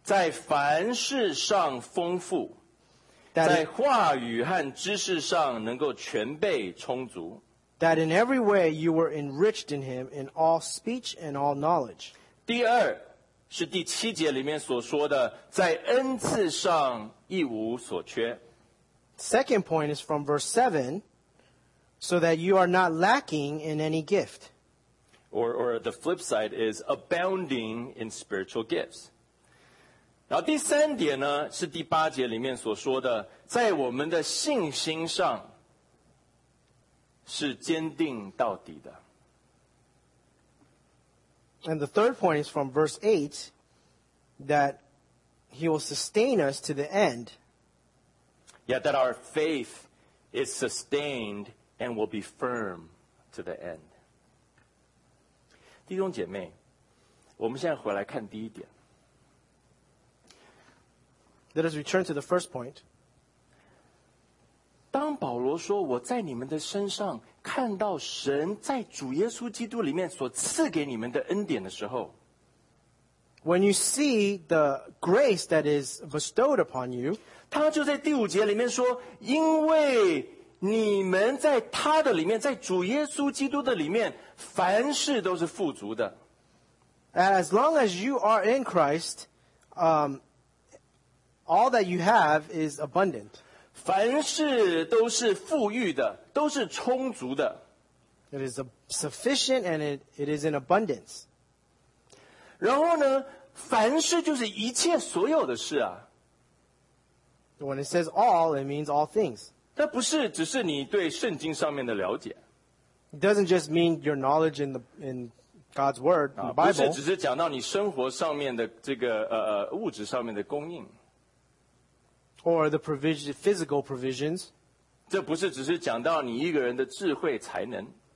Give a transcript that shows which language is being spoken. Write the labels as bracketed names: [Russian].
[Chinese] 在凡事上丰富，在话语和知识上能够全备充足。 [English] That in every way you were enriched in him in all speech and all knowledge. [Chinese] 第二是第七节里面所说的，在恩赐上一无所缺。 [English] Second point is from verse 7. So that you are not lacking in any gift. Or the flip side is abounding in spiritual gifts. [Chinese] 然后第三点呢，是第八节里面所说的，在我们的信心上是坚定到底的。 [English] And the third point is from verse 8, that he will sustain us to the end. Yeah, that our faith is sustained and will be firm to the end. [Chinese] 弟兄姐妹，我们现在回来看第一点。 [English] Let us return to the first point. [Chinese] 当保罗说，我在你们的身上看到神在主耶稣基督里面所赐给你们的恩典的时候， [English] When you see the grace that is bestowed upon you, [Chinese] 他就在第五节里面说，因为你们在他的里面，在主耶稣基督的里面，凡事都是富足的。 [English] As long as you are in Christ, all that you have is abundant. [Chinese] 凡事都是富裕的，都是充足的。 [English] It is sufficient and it is in abundance. [Chinese] 然后呢，凡事就是一切所有的事啊。 [English] When it says all, it means all things. [Chinese] 那不是只是你对圣经上面的了解。 [English] It doesn't just mean your knowledge in God's word, in the Bible. [Chinese] 不是只是讲到你生活上面的这个物质上面的供应。 [English] Or the provision, physical provisions. [Chinese] 这不是只是讲到你一个人的智慧才能。